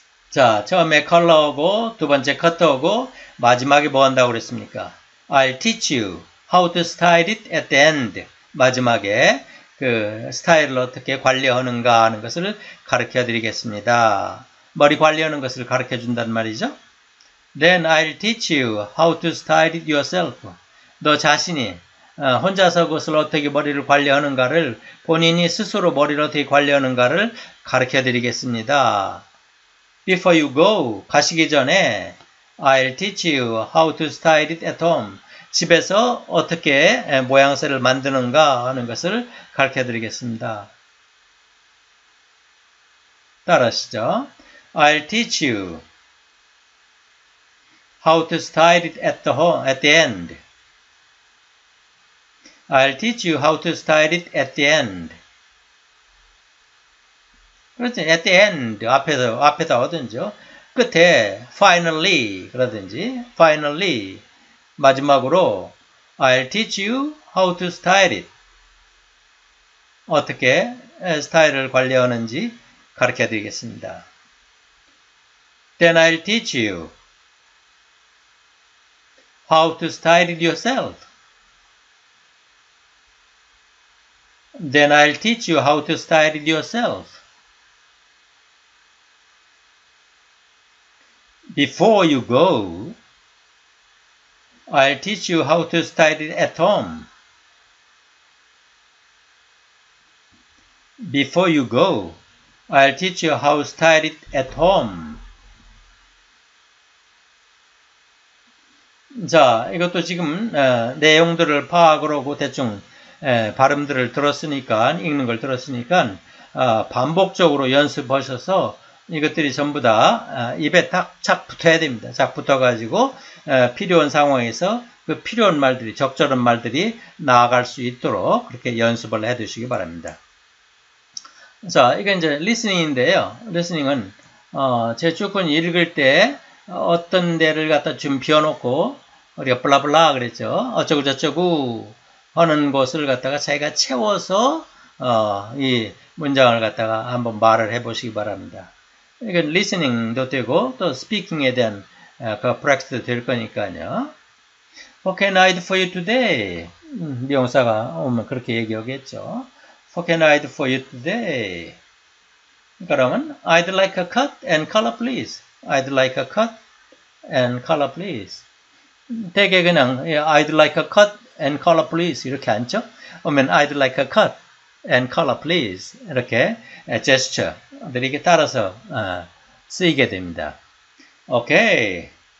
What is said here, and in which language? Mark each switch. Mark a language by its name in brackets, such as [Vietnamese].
[Korean] 자, 처음에 컬러하고 두 번째 커트하고 마지막에 뭐 한다고 그랬습니까? [English] I'll teach you how to style it at the end. [Korean] 마지막에 그 스타일을 어떻게 관리하는가 하는 것을 가르쳐 드리겠습니다. 머리 관리하는 것을 가르쳐 준단 말이죠. [English] Then I'll teach you how to style it yourself. [Korean] 너 자신이 혼자서 그것을 어떻게 머리를 관리하는가를 본인이 스스로 머리를 어떻게 관리하는가를 가르쳐 드리겠습니다. [English] Before you go, [Korean] 가시기 전에 [English] I'll teach you how to style it at home. [Korean] 집에서 어떻게 모양새를 만드는가 하는 것을 가르쳐 드리겠습니다. 따라하시죠. [English] I'll teach you how to style it at the home, at the end. I'll teach you how to style it at the end. [Korean] 그렇죠. [English] At the end. [Korean] 앞에다 하든지요. 끝에 [English] finally [Korean] 그러든지 [English] finally [Korean] 마지막으로 [English] I'll teach you how to style it. [Korean] 어떻게 스타일을 관리하는지 가르쳐 드리겠습니다. [English] Then I'll teach you how to style it yourself. Then I'll teach you how to style it yourself. Before you go, I'll teach you how to style it at home. Before you go, I'll teach you how to style it at home. [Korean] 자, 이것도 지금 내용들을 파악을 하고 대충 발음들을 들었으니까, 읽는 걸 들었으니까 반복적으로 연습하셔서 이것들이 전부 다 입에 딱착 붙어야 됩니다. 착 붙어가지고 필요한 상황에서 그 필요한 말들이, 적절한 말들이 나아갈 수 있도록 그렇게 연습을 해두시기 바랍니다. 자, 이게 이제 리스닝인데요. 리스닝은 제 조건 읽을 때 어떤 데를 갖다 좀 비워놓고 우리가 블라블라 그랬죠. 어쩌고 저쩌고 하는 곳을 갖다가 자기가 채워서 이 문장을 갖다가 한번 말을 해보시기 바랍니다. 이건 리스닝도 되고 또 스피킹에 대한 그 프랙티스도 될 거니까요. [English] What can I do for you today? [Korean] 미용사가 오면 그렇게 얘기하겠죠. [English] What can I do for you today? 그러면 I'd like a cut and color please. I'd like a cut and color please. [Korean] 대개 그냥 [English] I'd like a cut and color please [Korean] 이렇게 앉죠. [English] 그러면 I'd like a cut and color please [Korean] 이렇게 제스처들이 이렇게 따라서 쓰이게 됩니다. [English] Okay.